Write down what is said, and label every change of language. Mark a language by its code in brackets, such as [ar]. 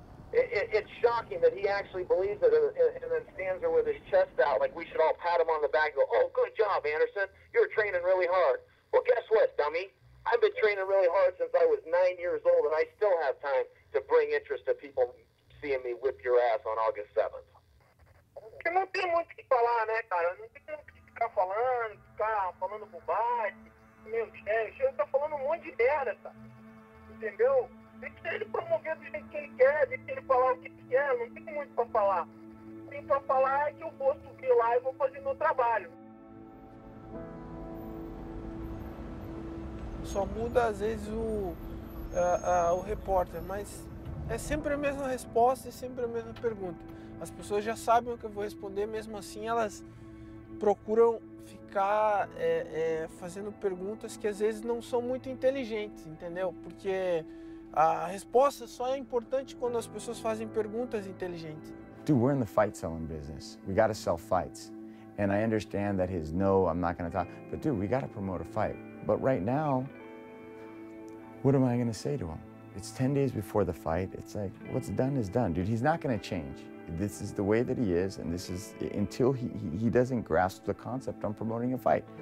[en] It's shocking that he actually believes it and then stands there with his chest out like we should all pat him on the back and go, oh, good job, Anderson. You're training really hard. Well, guess what, dummy? I've been training really hard since I was 9 years old, and I still have time to bring interest to people seeing me whip your ass on August 7th. [pt] Porque não tem muito o que falar, né, cara? Não tem muito o que ficar falando, bobagem. Meu Deus, ele tá falando um monte de merda, tá? Entendeu? Deixa ele promover do jeito que ele quer, deixa ele falar o que ele quer, não tem muito pra falar. O que tem pra falar é que eu vou subir lá e vou fazer meu trabalho. Só muda, às vezes, o repórter, mas é sempre a mesma resposta e sempre a mesma pergunta. As pessoas já sabem o que eu vou responder, mesmo assim elas procuram ficar fazendo perguntas que às vezes não são muito inteligentes, entendeu? Porque a resposta só é importante quando as pessoas fazem perguntas inteligentes. [en] Dude, we're in the fight selling business. We gotta sell fights. And I understand that his no, I'm not gonna talk. But dude, we gotta promote a fight. But right now, what am I gonna say to him? It's 10 days before the fight. It's like, what's done is done. Dude, he's not gonna change. This is the way that he is, and this is until he doesn't grasp the concept on promoting a fight.